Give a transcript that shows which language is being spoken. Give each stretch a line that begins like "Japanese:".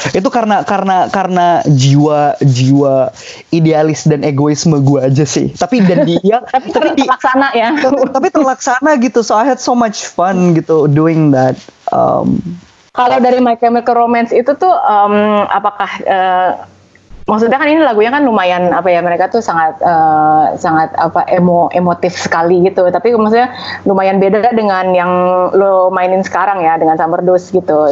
Indonesian: Itu karena jiwa idealis dan egoisme gue aja sih. Tapi dan dia tapi terlaksana ya. Tapi terlaksana gitu.
English: So I had so much fun
Indonesian: gitu
English: doing that.
Indonesian: Kalau dari My Chemical Romance itu tuh apakah maksudnya kan ini lagunya kan lumayan apa ya, mereka tuh sangat sangat apa emotif sekali gitu, tapi maksudnya lumayan beda dengan yang lo mainin sekarang ya, dengan Summer Dose gitu.